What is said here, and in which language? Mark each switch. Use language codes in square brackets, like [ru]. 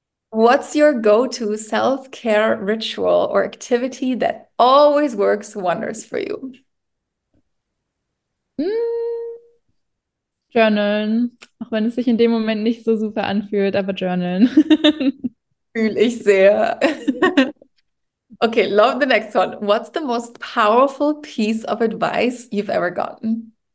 [en] What's your go-to self-care ritual or activity that always works wonders for you? [de] Journalen, auch wenn es sich in dem Moment nicht so super anfühlt, aber journalen. Fühle ich sehr. [en] Okay, love the next one. What's the most powerful piece of advice you've ever gotten?